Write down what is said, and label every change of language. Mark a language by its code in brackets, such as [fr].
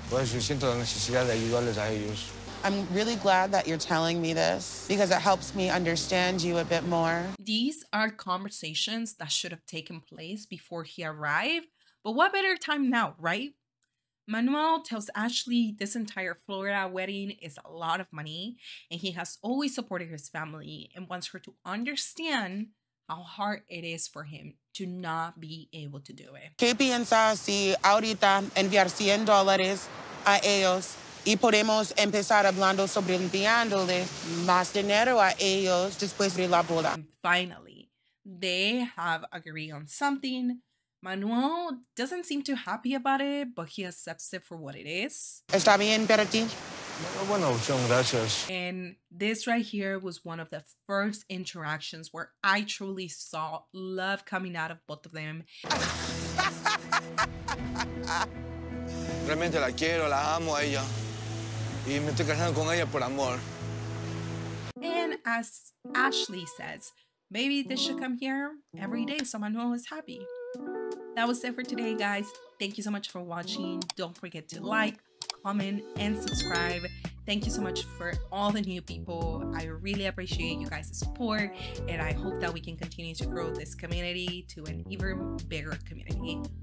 [es] Pues yo siento la necesidad de ayudarles a ellos. [en] I'm really glad that you're telling me this because it helps me understand you a bit more. These are conversations that should have taken place before he arrived, but what better time now, right? Manuel tells Ashley this entire Florida wedding is a lot of money and he has always supported his family and wants her to understand how hard it is for him to not be able to do it. [es] ¿Qué piensas si ahorita enviar $100 a ellos y podemos empezar hablando sobre enviándole más dinero a ellos después de la boda? [en] And finally, they have agreed on something. Manuel doesn't seem too happy about it, but he accepts it for what it is. [es] Está bien, para ti. Bueno, muchas gracias. [en] And this right here was one of the first interactions where I truly saw love coming out of both of them. [es] Realmente la quiero, la amo a ella. Y me estoy casando con ella por amor. [en] And as Ashley says, maybe they should come here every day so Manuel is happy. That was it for today, guys. Thank you so much for watching. Don't forget to like, comment, and subscribe. Thank you so much for all the new people. I really appreciate you guys' support, and I hope that we can continue to grow this community to an even bigger community.